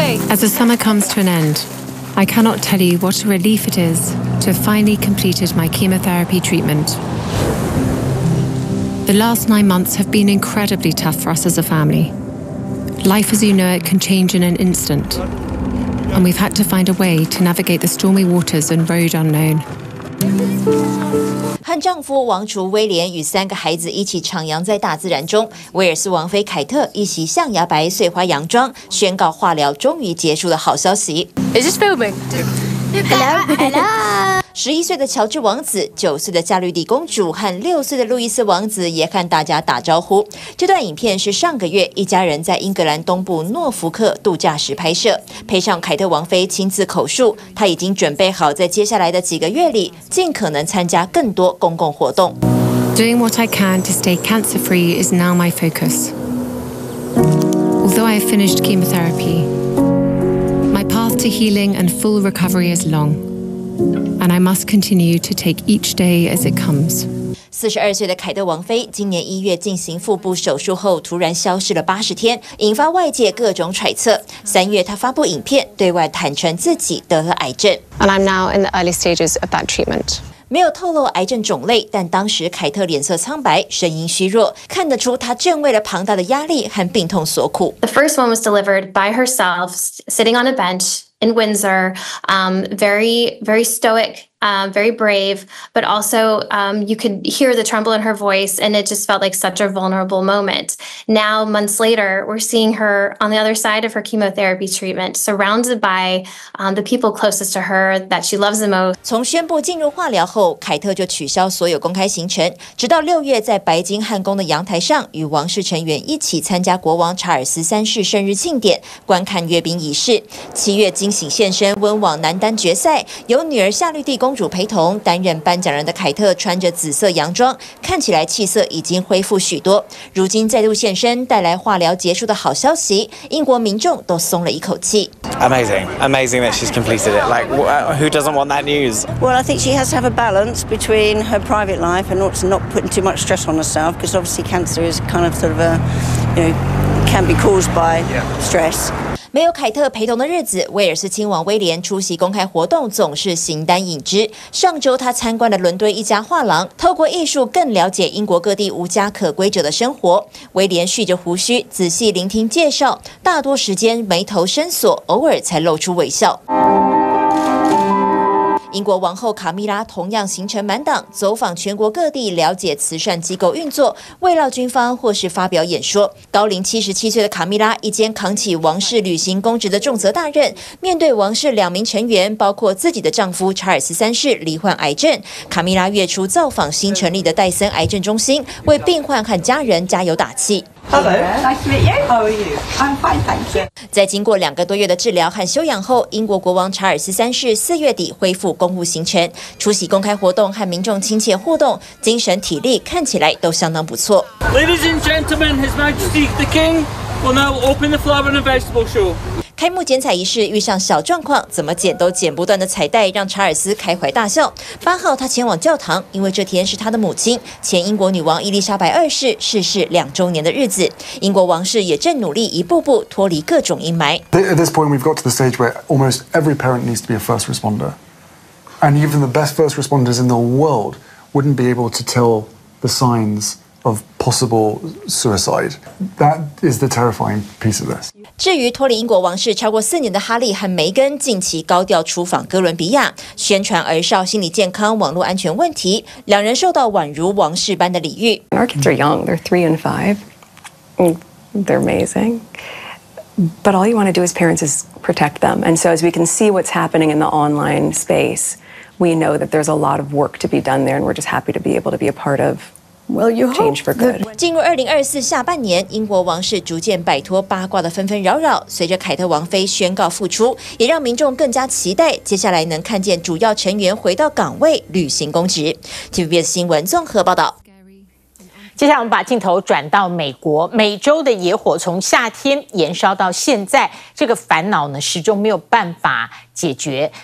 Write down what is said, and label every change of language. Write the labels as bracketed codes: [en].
[en] As the summer comes to an end, I cannot tell you what a relief it is to have finally completed my chemotherapy treatmentThe last 9 months have been incredibly tough for us as a family. Life as you know it can change in an instant. And we've had to find a way to navigate the stormy waters and road unknown. [zh] 和丈夫王储威廉与三个孩子一起徜徉在大自然中，威尔斯王妃凯特一袭象牙白碎花洋装宣告化疗终于结束的好消息。 [en] Is this filming? Hello, hello. [zh] 11岁的乔治王子、9岁的夏绿蒂公主和6岁的路易斯王子也和大家打招呼。这段影片是上个月一家人在英格兰东部诺福克度假时拍摄，配上凯特王妃亲自口述，她已经准备好在接下来的几个月里尽可能参加更多公共活动。 [en] Doing what I can to stay cancer-free is now my focus. Although I have finished chemotherapy, my path to healing and full recovery is long. And I must continue to take each day as it comes. [zh] 42岁的凯特王妃今年1月进行腹部手术后突然消失了80天，引发外界各种揣测。 3月，她发布影片，对外坦诚自己得了癌症。 [en] And I'm now in the early stages of that treatment. [zh] 没有透露癌症种类，但当时凯特脸色苍白，声音虚弱，看得出她正为了庞大的压力和病痛所苦。 [en] The first one was delivered by herself, sitting on a bench. In Windsor, very, very stoic, very brave, but also you could hear the tremble in her voice, and it just felt like such a vulnerable moment. Now, months later, we're seeing her on the other side of her chemotherapy treatment, surrounded by the people closest to her that she loves the most. [zh] 从宣布进入化疗后，凯特就取消所有公开行程，直到6月在白金汉宫的阳台上与王室成员一起参加国王查尔斯3世生日庆典，观看阅兵仪式。7月，经惊喜现身温网男单决赛，由女儿夏绿蒂公主陪同，担任颁奖人的凯特穿着紫色洋装，看起来气色已经恢复许多。如今再度现身，带来化疗结束的好消息，英国民众都松了一口气。 [en] Amazing, amazing that she's completed it. Like, who doesn't want that news? Well, I think she has to have a balance between her private life and not putting too much stress on herself, because obviously cancer is kind of sort of a, you know, can be caused by stress. [zh] 没有凯特陪同的日子，威尔斯亲王威廉出席公开活动总是形单影只。上周他参观了伦敦一家画廊，透过艺术更了解英国各地无家可归者的生活。威廉蓄着胡须，仔细聆听介绍，大多时间眉头深锁，偶尔才露出微笑。英国王后卡米拉同样行程满档，走访全国各地了解慈善机构运作，慰劳军方或是发表演说。高龄77岁的卡米拉已经扛起王室履行公职的重责大任，面对王室两名成员，包括自己的丈夫查尔斯三世罹患癌症，卡米拉月初造访新成立的戴森癌症中心，为病患和家人加油打气。 [en] Hello, nice to meet you. How are you? I'm fine, thank you. [zh] 经过两个多月的治疗和休养后，英国国王查尔斯三世四月底恢复公务行程，出席公开活动和民众亲切互动，精神体力看起来都相当不错。 [en] Ladies and gentlemen, His Majesty the King will now open the flower and vegetable show. [zh] 开幕剪彩仪式遇上小状况，怎么剪都剪不断的彩带让查尔斯开怀大笑。八号他前往教堂，因为这天是他的母亲，前英国女王伊丽莎白二世逝世两周年的日子。英国王室也正努力一步步脱离各种阴霾。 [en] At this point, we've got to the stage where almost every parent needs to be a first responder, and even the best first responders in the world wouldn't be able to tell the signs. Of possible suicide. That is the terrifying piece of this. [zh] 至于脱离英国王室超过四年的哈利和梅根，近期高调出访哥伦比亚，宣传儿少心理健康、网络安全问题，两人受到宛如王室般的礼遇。 [en] Our kids are young. They're 3 and 5. They're amazing. But all you want to do as parents is protect them. And so as we can see what's happening in the online space, we know that there's a lot of work to be done there, and we're just happy to be able to be a part of. Well, you change for good. [zh] 进入2024下半年，英国王室逐渐摆脱八卦的纷纷扰扰。随着凯特王妃宣告复出，也让民众更加期待接下来能看见主要成员回到岗位履行公职。 TVBS 新闻综合报道。接下来我们把镜头转到美国，美洲的野火从夏天延烧到现在，这个烦恼呢始终没有办法解决。